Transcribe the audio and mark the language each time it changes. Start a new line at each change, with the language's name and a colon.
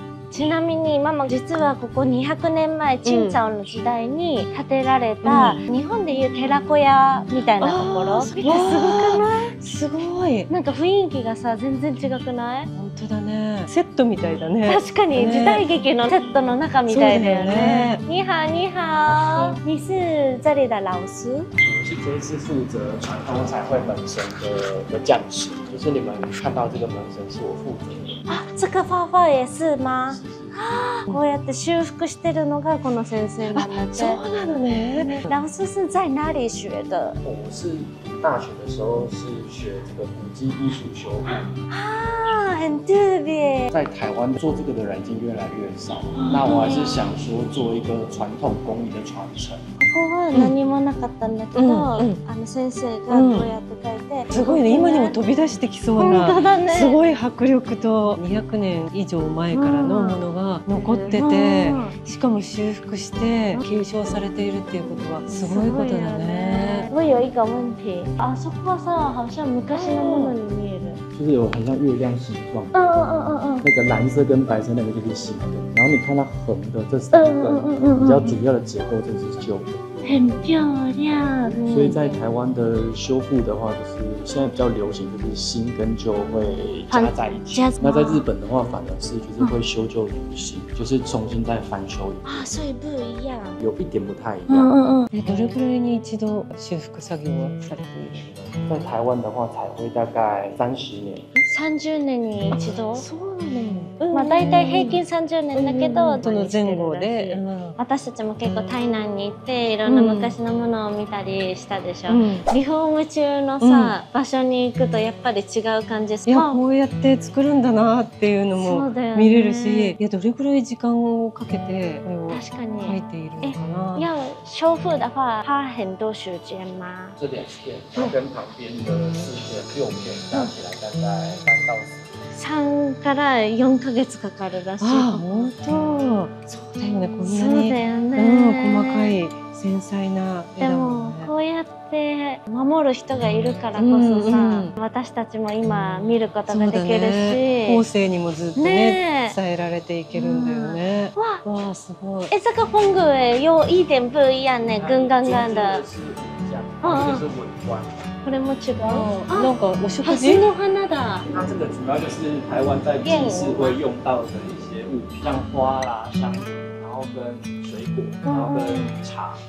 Japanese: ちなみにママ実はここ200年前清朝の時代に建てられた、うん、日本でいう寺小屋みたいなところ。すごくない？すごい、なんか雰囲気がさ全然違くない？本当だね、セットみたいだね。確かに、時代劇のセットの中みたいだよね。ニ
Chinese: ハニハー、你是这里的老师？这一次负责传统彩绘本身 的匠师，就是你们看到这个本身是我负责的。啊，这个画画也是吗？
Japanese: こうやって修復してるのがこの先生なので。そうなのね。
Chinese: 老师是在哪里学的？我是大学的时候是学这个古迹艺术修复。啊，很特别。在台湾做这个的人已经越来越少，那我还是想说做一个传统工艺的传承。
Japanese: ここは何もなかったんだけど、うんうん、あの先生がこうやって描いて、うん、すごいね、今にも飛び出してきそうな。本当だね、すごい迫力と。 200年以上前からのものが残ってて、うん、しかも修復して継承されているっていうことはすごいことだね。
Chinese: 我有一个问题，
Japanese: あそこはさ好像昔のものに見える。
Chinese: 就是有很像月亮形状，嗯嗯嗯嗯，那个蓝色跟白色那个就是新的，然后你看它横的这三个比较主要的结构就是旧的，很漂亮。所以在台湾的修复的话，就是现在比较流行就是新跟旧会加在一起。那在日本的话，反而是就是会修旧如新，就是重新再翻修一遍。啊，所以不一样。有一点不太一样。嗯嗯嗯。
Japanese: どれくらいに一度修復作業をされている？
Chinese: 在台湾的话，彩绘大概30年。
Japanese: 30年に一度。そうなの。まあ、大体平均30年だけど、うん、その前後で、うん、私たちも結構台南に行っていろんな昔のものを見たりしたでしょ、うん、リフォーム中のさ、うん、場所に行くとやっぱり違う感じ。いや、こうやって作るんだなっていうのも見れるし、ね、いや、どれくらい時間をかけてこれを描いているのかな。
Chinese: いや、修復的话花很多时间吗？这两间跟旁边的4间6间加起来大概3到4
Japanese: 3から4ヶ月かかるらしい。ああ、本当。そうだよね、こんなに。そうだよね。うん、細かい、繊細な絵だもんね。でも、こうやって守る人がいるからこそさ、うんうん、私たちも今見ることができるし。ね、後世にもずっと ね、伝えられていけるんだよね。うん、わ、わあ、すごい。
Chinese: え、这个风格有一点不一样ね、軍艦艦的。
Japanese: これも違う。あ、なんかお食事。蓮の花だ。
Chinese: 它这个主要就是台湾在祭祀会用到的一些物品，像花啦、香烛，然后跟水果，然后跟茶。